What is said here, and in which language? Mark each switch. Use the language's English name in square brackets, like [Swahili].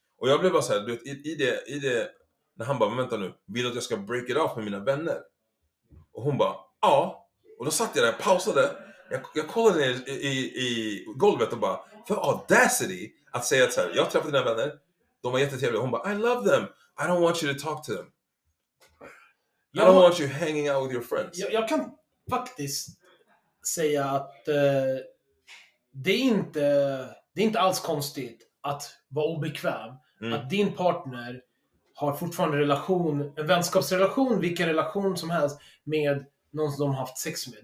[Swedish] Och jag blev bara så här, du vet, i det, när han bara, vänta nu, vill du att jag ska [English] break it off [Swedish] med mina vänner? Och hon bara, ja. Och då satt jag där, pausade. Jag kollade ner i golvet och bara, för audacity att säga att så här, jag träffade dina vänner, de var jättetrevliga. Hon bara, [English] I love them, I don't want you to talk to them. I don't want you hanging out with your friends. [Swedish] Jag kan faktiskt säga att det är inte alls konstigt att vara obekväm. Mm. Att din partner har fortfarande relation, en vänskapsrelation, vilken relation som helst med någon som de har haft sex med.